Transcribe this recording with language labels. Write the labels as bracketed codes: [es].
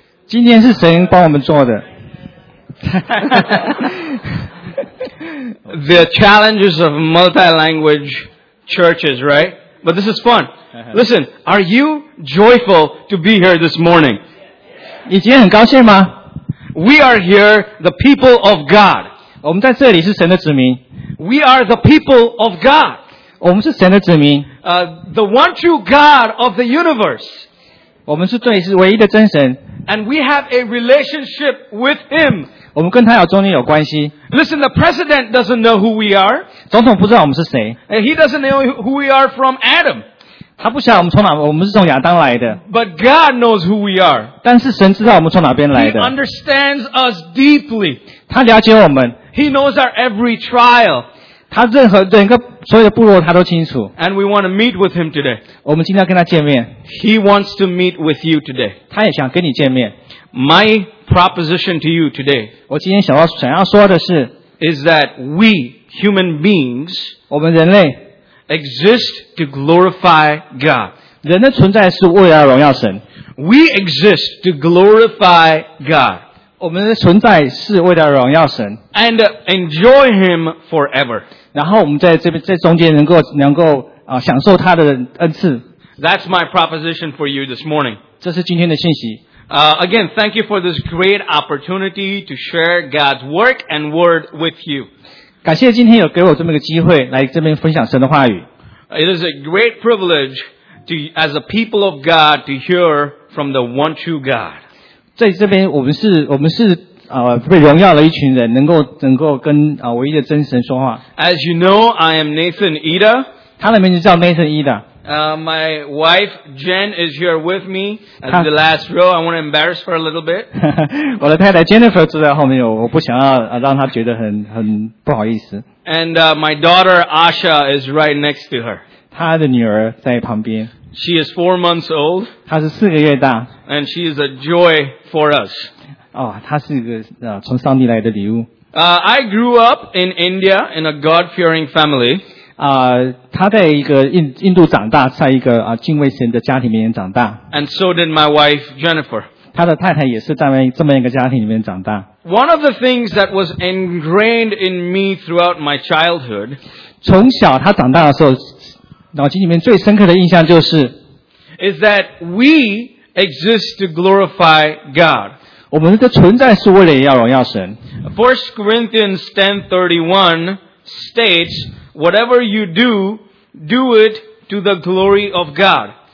[zh] 今天是神帮我们做的。 [en] The challenges of multi-language churches, right? But this is fun. Listen, are you joyful to be here this morning? [zh] 你今天很高兴吗? [en] We are here, the people of God. [zh] 我们在这里是神的子民。 [en] We are the people of God. [zh] 我们是神的子民。 [en] The one true God of the universe. [zh] 我们是对，是唯一的真神。 [en] And we have a relationship with him. [zh] 我们跟他有中间有关系。 [en] Listen, the president doesn't know who we are. [zh] 总统不知道我们是谁。 [en] And he doesn't know who we are from Adam. [zh] 他不晓得我们从哪，我们是从亚当来的。 [en] But God knows who we are. [zh] 但是神知道我们从哪边来的。 [en] He understands us deeply. [zh] 他了解我们。 [en] He knows our every trial. [zh] 他任何整个所有的部落他都清楚。 [en] And we want to meet with him today. [zh] 我们今天跟他见面。 [en] He wants to meet with you today. [zh] 他也想跟你见面。 [en] My proposition to you today, [zh] 我今天想要说的是, [en] is that we human beings, [zh] 我们人类, [en] exist to glorify God. [zh] 人的存在是为了荣耀神。 [en] We exist to glorify God. [zh] 我们的存在是为了荣耀神。 [en] And enjoy Him forever. [zh] 然后我们在这边在中间能够享受他的恩赐。 [en] That's my proposition for you this morning. [zh] 这是今天的信息。 [en] Again, thank you for this great opportunity to share God's work and word with you. [zh] 感谢今天有给我这么一个机会来这边分享神的话语。 [en] It is a great privilege to, as a people of God, to hear from the one true God. [zh] 在这边我们是被荣耀的一群人，能够跟唯一的真神说话。 [en] As you know, I am Nathan Ida. [zh] 他的名字叫 Nathan Ida。 [en] My wife Jen is here with me in the last row. I want to embarrass her a little bit. [zh] 我的太太 Jennifer 坐在后面，我不想要让她觉得很不好意思。 [en] And my daughter Asha is right next to her. [zh] 她的女儿在旁边。 [en] She is 4 months old. [zh] 她是四个月大。 [en] And she is a joy for us. [zh] 她是一个从上帝来的礼物。 [en] I grew up in India in a God-fearing family. [zh] 他在一个 印度长大，在一个敬畏神的家庭里面长大。 [en] And so did my wife Jennifer. [zh] 他的太太也是在这么一个家庭里面长大。 [en] One of the things that was ingrained in me throughout my childhood, [zh] 从小他长大的时候，脑筋里面最深刻的印象就是 [en] is that we exist to glorify God. [zh] 我们的存在是为了要荣耀神。 [en] 1 Corinthians 10:31 states,Whatever you do, do it to the glory of God.